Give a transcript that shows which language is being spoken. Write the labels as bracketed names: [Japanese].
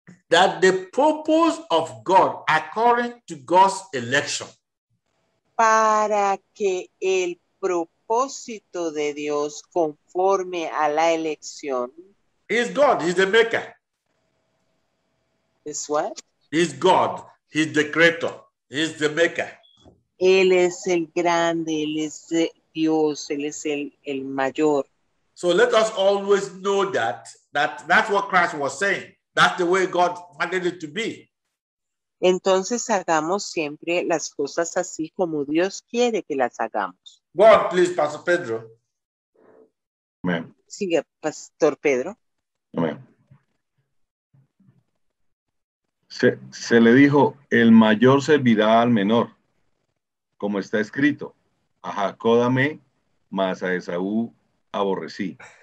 [English] That the purpose of God, according to God's election. [Spanish] Para que el propósito de Dios conforme a la elección. [English] He's God, he's the maker. Is what? He's God, he's the creator, he's the maker. [Spanish] Él es el grande, él es Dios, él es el mayor. [English] So let us always know that's what Christ was saying. That's the way God wanted it to be. [Spanish] Entonces hagamos siempre las cosas así como Dios quiere que las hagamos. [English] Go on, please, Pastor Pedro. Amen. [Spanish] Sigue, Pastor Pedro. Amen. Se le dijo, el mayor servirá al menor, como está escrito, a Jacob amé, mas a Esaú aborrecí.